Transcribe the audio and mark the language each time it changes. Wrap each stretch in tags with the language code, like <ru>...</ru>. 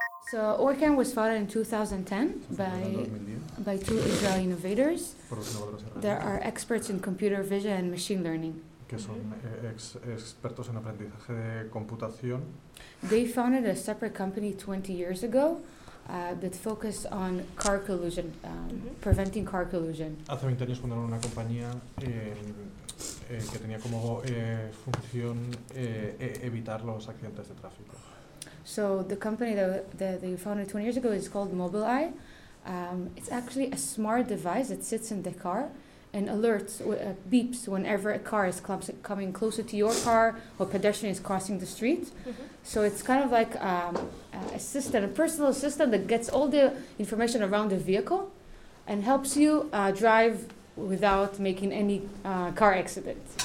<en>So ORCAM was founded in 2010 by two Israeli innovators that are experts in computer vision and machine learning.</en> <es>Que son expertos en aprendizaje de computación.</es> <en>They founded a separate company 20 years ago that focused on car collision, preventing car collision.</en> <es>Hace 20 años fundaron una compañía que tenía como función evitar los accidentes de tráfico.</es> <en>So the company that they founded 20 years ago is called Mobileye. It's actually a smart device that sits in the car and alerts, beeps whenever a car is coming closer to your car or a pedestrian is crossing the street. Mm-hmm. So it's kind of like a personal assistant that gets all the information around the vehicle and helps you drive without making any car accident.</en>